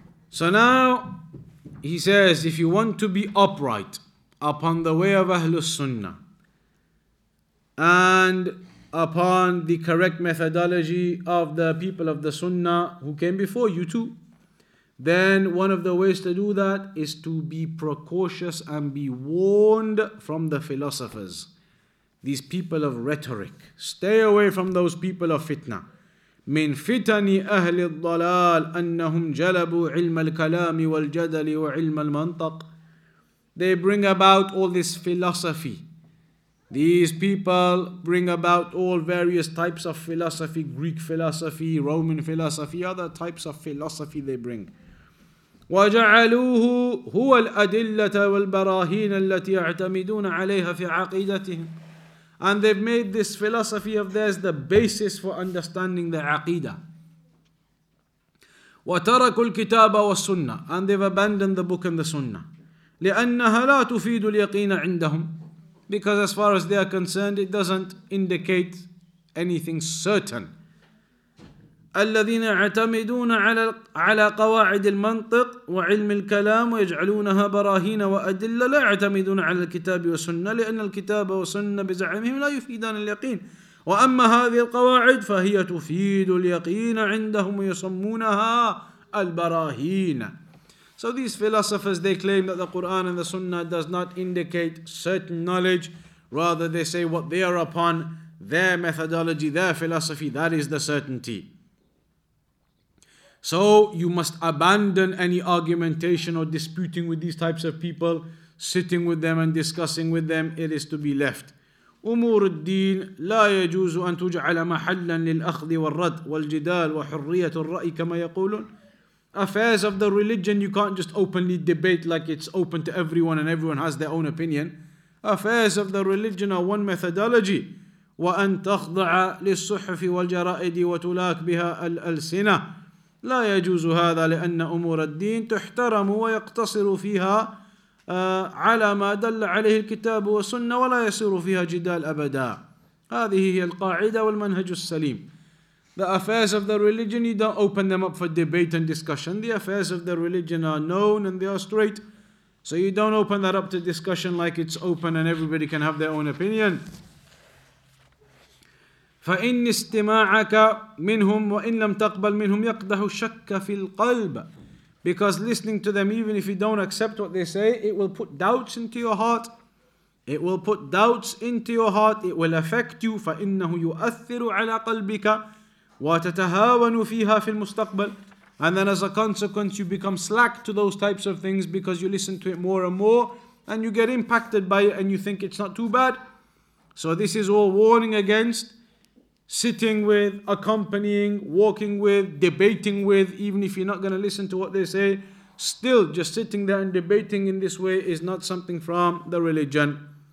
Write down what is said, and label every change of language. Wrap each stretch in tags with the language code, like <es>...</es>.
<en>So now, he says, if you want to be upright upon the way of Ahlus Sunnah and upon the correct methodology of the people of the Sunnah who came before you too, then one of the ways to do that is to be precautious and be warned from the philosophers, these people of rhetoric. Stay away from those people of fitna.</en> <ar>من فتن أهل الضلال أنهم جلبوا علم الكلام والجدل وعلم المنطق.</ar> <en>They bring about all this philosophy. These people bring about all various types of philosophy, Greek philosophy, Roman philosophy, other types of philosophy they bring.</en> <ar>وجعلوه هو الأدلة والبراهين التي يعتمدون عليها في عقيدتهم.</ar> <en>And they've made this philosophy of theirs the basis for understanding the aqidah.</en> <ar>وَتَرَكُوا الْكِتَابَ وَالسُّنَّةِ.</ar> <en>And they've abandoned the book and the sunnah.</en> <ar>لِأَنَّهَا لَا تُفِيدُ الْيَقِينَ عِنْدَهُمْ.</ar> <en>Because as far as they are concerned, it doesn't indicate anything certain.</en> <ar>الَّذِينَ يَعْتَمِدُونَ عَلَى قَوَاعِدِ الْمَنْطِقِ وَعِلْمِ الْكَلَامِ وَيَجْعَلُونَهَا بَرَاهِينَ وَأَدِلَّةً لَا يَعْتَمِدُونَ عَلَى الْكِتَابِ وَالسُّنَّةِ لِأَنَّ الْكِتَابَ وَالسُّنَّةَ بِزَعْمِهِمْ لَا يُفِيدَانِ الْيَقِينَ وَأَمَّا هَذِهِ الْقَوَاعِدُ فَهِيَ تُفِيدُ الْيَقِينَ عِنْدَهُمْ وَيُسَمُّونَهَا الْبَرَاهِينَ.</ar> <en>So these philosophers, they claim that the Quran and the Sunnah does not indicate certain knowledge, rather they say what they are upon, their methodology, their philosophy, that is the certainty. So you must abandon any argumentation or disputing with these types of people, sitting with them and discussing with them, it is to be left.</en> <ar>أمور الدين لا يجوز أن تجعل محلا للأخذ والرد والجدال وحرية الرأي كما يقولون.</ar> <en>Affairs of the religion, you can't just openly debate like it's open to everyone and everyone has their own opinion. Affairs of the religion are one methodology.</en> <ar>وأن تخضع للصحف والجرائد وتلاك بها الألسنة. لا يجوز هذا لأن أمور الدين تحترم ويقتصر فيها على ما دل عليه الكتاب والسنة ولا يصير فيها جدال أبدا. هذه هي القاعدة والمنهج السليم.</ar> <en>The affairs of the religion, you don't open them up for debate and discussion. The affairs of the religion are known and they are straight. So you don't open that up to discussion like it's open and everybody can have their own opinion.</en> <ar>فإن استماعك منهم وإن لم تقبل منهم يقدح الشك في القلب.</ar> <en>Because listening to them, even if you don't accept what they say, it will put doubts into your heart. It will put doubts into your heart. It will affect you.</en> <ar>فإنه يؤثر على قلبك وتتهاون فيها في المستقبل.</ar> <en>And then as a consequence, you become slack to those types of things because you listen to it more and more and you get impacted by it and you think it's not too bad. So this is all warning against sitting with, accompanying, walking with, debating with, even if you're not going to listen to what they say, still just sitting there and debating in this way is not something from the religion.</en>